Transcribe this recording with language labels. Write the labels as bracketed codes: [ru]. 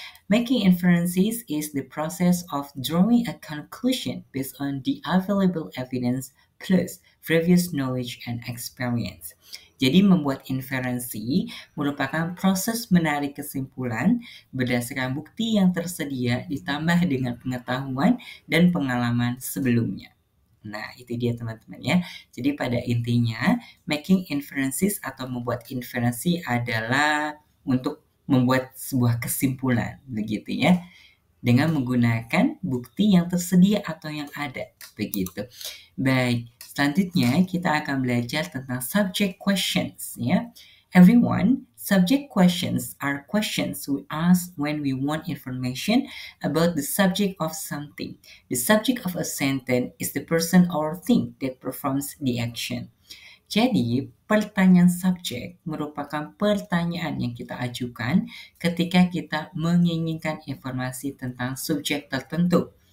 [en] Making inferences is the process of drawing a conclusion based on the available evidence plus previous knowledge and experience. [id] Jadi, membuat inferensi merupakan proses menarik kesimpulan berdasarkan bukti yang tersedia ditambah dengan pengetahuan dan pengalaman sebelumnya. Nah, itu dia teman-teman ya. Jadi pada intinya, making inferences atau membuat inferensi adalah untuk membuat sebuah kesimpulan begitu ya, dengan menggunakan bukti yang tersedia atau yang ada begitu. Baik, selanjutnya kita akan belajar tentang subject questions ya. [en] Everyone, subject questions are questions we ask when we want information about the subject of something. The subject of a sentence is the person or thing that performs the action. [id] Jadi, pertanyaan subjek merupakan pertanyaan yang kita ajukan ketika kita menginginkan informasi tentang subjek tertentu.